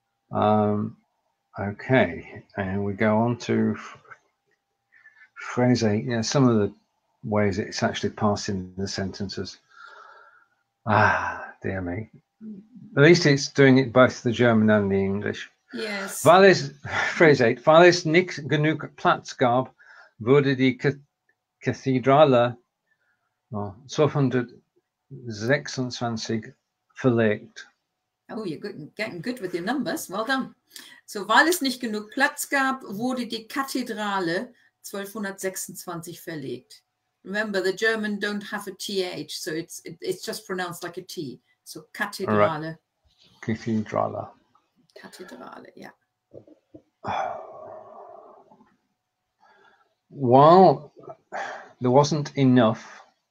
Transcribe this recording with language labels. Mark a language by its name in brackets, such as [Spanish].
[English] Okay, and we go on to phrase eight. Yeah, some of the ways it's actually passing the sentences. Ah, dear me. At least it's doing it both the German and the English. Yes. Phrase eight. [German] Weil es nicht genug Platz gab, wurde die Kathedrale 1226 verlegt. [English] Oh, you're getting good with your numbers. Well done. [German] So, weil es nicht genug Platz gab, wurde die Kathedrale 1226 verlegt. [English] Remember, the German don't have a TH, so it's just pronounced like a T. So cathedrale. Right. Cathedrale. Cathedrale, yeah. While there wasn't enough.